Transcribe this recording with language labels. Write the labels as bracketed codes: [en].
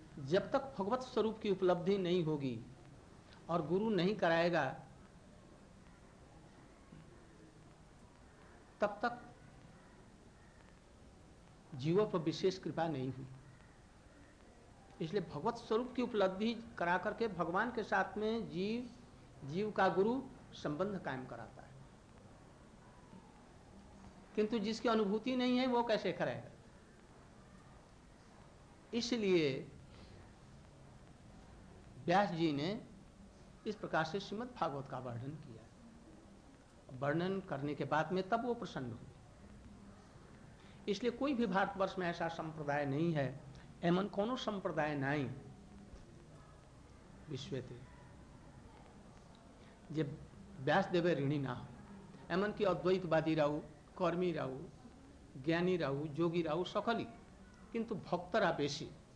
[hi] Job তক ভগবত স্বরূপ কি উপলব্ধি নেই হোগি আর গুরু নেই করায়েগা, তব তক জীব পর বিশেষ কৃপা নেই হুই। इसलिए भगवत स्वरूप की उपलब्धि करा करके भगवान के साथ में जीव, जीव का गुरु संबंध कायम कराता है, किंतु जिसकी अनुभूति नहीं है वो कैसे करेगा। इसलिए व्यास जी ने इस प्रकार से श्रीमद् भागवत का वर्णन किया। वर्णन करने के बाद में तब वो प्रसन्न हुए। इसलिए कोई भी भारतवर्ष में ऐसा संप्रदाय नहीं है, [bn] এমন কোনো সম্প্রদায় নাই বিশ্বেতে যে ব্যাসদেবে ঋণী না, এমন কি অদ্বৈতবাদী রাও, কর্মী রাও, জ্ঞানী রাও, যোগী রাও সকলই, কিন্তু ভক্তরা বেশি।